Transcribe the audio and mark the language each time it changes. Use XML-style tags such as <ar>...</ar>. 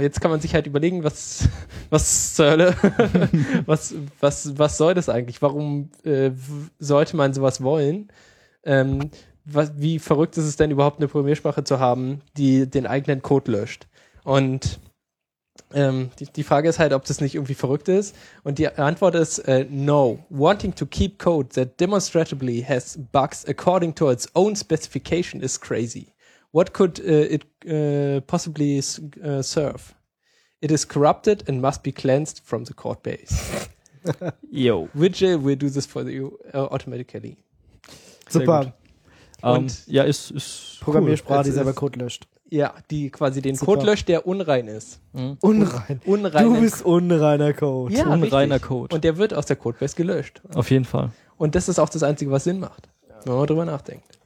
<de>Jetzt kann man sich halt überlegen, was zur Hölle, was soll das eigentlich? Warum sollte man sowas wollen? Wie verrückt ist es denn überhaupt, eine Programmiersprache zu haben, die den eigenen Code löscht? Und die Frage ist halt, ob das nicht irgendwie verrückt ist. Und die Antwort ist no.</de> <en>Wanting to keep code that demonstrably has bugs according to its own specification is crazy. What could it possibly serve? It is corrupted and must be cleansed from the code base. Yo. Vigil will do this for you automatically.</en> <de>Super. Und ja, ist Programmiersprache, cool, die selber Code löscht. Ja, die quasi den Code löscht, der unrein ist. Hm? Unrein. Unrein. Du bist unreiner Code. Ja, unreiner Code. Und der wird aus der Codebase gelöscht. Auf jeden Fall. Und das ist auch das Einzige, was Sinn macht, ja, wenn man drüber nachdenkt.</de>